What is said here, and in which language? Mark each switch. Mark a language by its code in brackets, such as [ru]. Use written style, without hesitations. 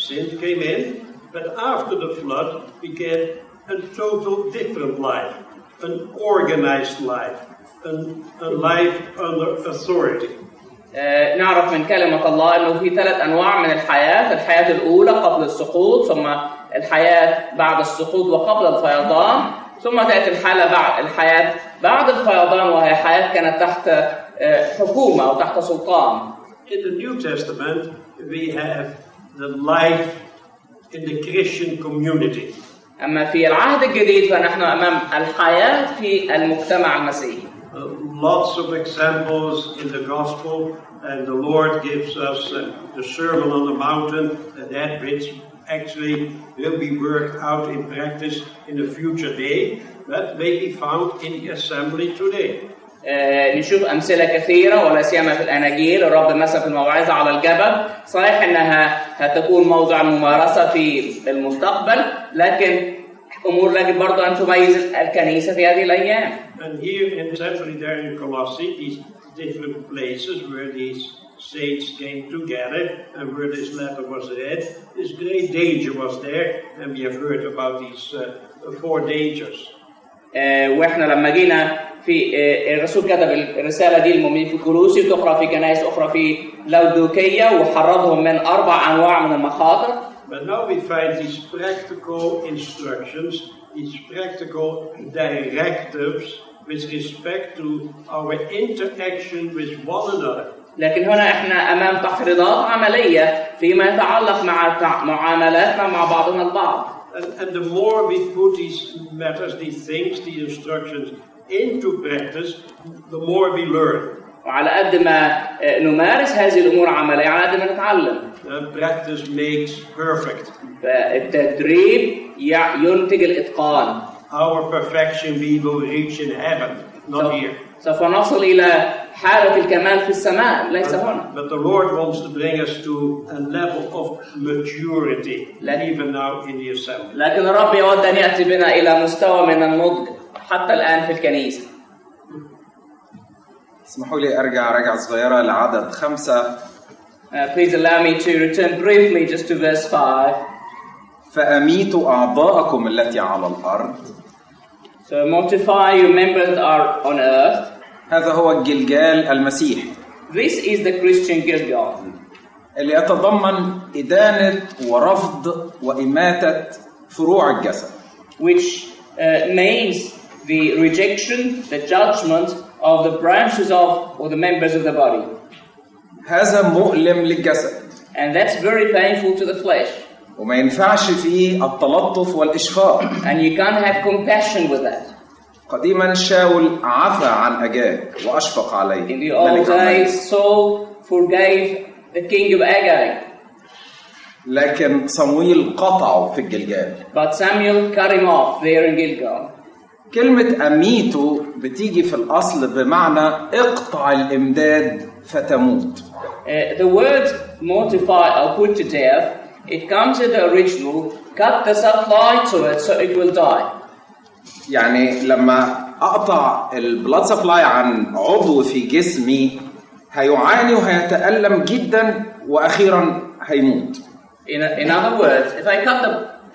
[en] Sin came in, but after the flood, we get a total different life, an organized life. A life under authority. [ar] نعرف من كلمة الله أنه في ثلاث أنواع من الحياة، الحياة الأولى قبل السقوط، ثم الحياة بعد السقوط وقبل الفيضان، ثم تأتي الحالة بعد الحياة بعد الفيضان وهي حياة كانت تحت حكومة أو تحت سلطان. [en] In the New Testament, we have the life in the Christian community. [ar] أما في العهد الجديد فنحن أمام الحياة في المجتمع المسيحي. [en] Lots of examples in the gospel, and the Lord gives us the Sermon on the Mountain, and that which actually will be worked out in practice in a future day, that may be found in the assembly today. [ar] نشوف أمثلة كثيرة ولا سيما في الأناجيل، الرب مثلا في الموعظة على الجبل، صحيح أنها هتكون موضع ممارسة في المستقبل، لكن أمور لكن برضو أن تميز الكنيسة في هذه الأيام. [en] And here in Tripoli, there in Colossae, these different places where these saints came together and where this letter was read, this great danger was there, and we have heard about these four dangers. [ar] وإحنا لما جينا في الرسول كتب الرسالة دي للمؤمنين في كولوسي وتقرأ في كنائس أخرى في لودوكية وحرضهم من أربع أنواع من المخاطر. [en] But now we find these practical instructions, these practical directives with respect to our interaction with one another. [ar] لكن هنا إحنا أمام تحريضات عملية فيما يتعلق مع معاملاتنا مع بعضنا البعض. [en] And the more we put these matters, these things, these instructions into practice, the more we learn. [ar] وعلى قد ما نمارس هذه الأمور عملية، على قد ما نتعلم. [en] Practice makes perfect. [ar] فالتدريب ينتج الإتقان. [en] Our perfection we will reach in heaven, not here. [ar] سوف نصل إلى حالة الكمال في السماء، ليس هنا. [en] But the Lord wants to bring us to a level of maturity, even now in the assembly. [ar] لكن الرب يود أن يأتي بنا إلى مستوى من النضج حتى الآن في الكنيسة. اسمحوا لي أرجع رجعة صغيرة لعدد خمسة. [en] Please allow me to return briefly just to verse 5. [ar] فأميتوا أعضاءكم التي على الأرض. [en] So mortify your members that are on earth. [ar] هذا هو الجلجال المسيح. [en] This is the Christian Gilgal. [ar] اللي يتضمن إدانة ورفض وإماتة فروع الجسد. [en] Which means the rejection, the judgment of the branches of or the members of the body. [ar] هذا مؤلم للجسد. [en] And that's very painful to the flesh. [ar] وما ينفعش فيه التلطف والإشفاق. [en] And you can't have compassion with that. [ar] قديما شاول عفى عن أجاج وأشفق عليه. [en] In the old days, Saul forgave the king of Agag. [ar] لكن صمويل قطعه في الجلجال. [en] But Samuel cut him off there in Gilgal. [ar] كلمة أميته بتيجي في الأصل بمعنى اقطع الإمداد فتموت. [en] The word mortify or put to death, it comes in the original, cut the supply to it so it will die. [ar] يعني لما أقطع البلد سبلاي عن عضو في جسمي هيعاني وهيتألم جدا وأخيرا هيموت. [en] In other words, if I cut the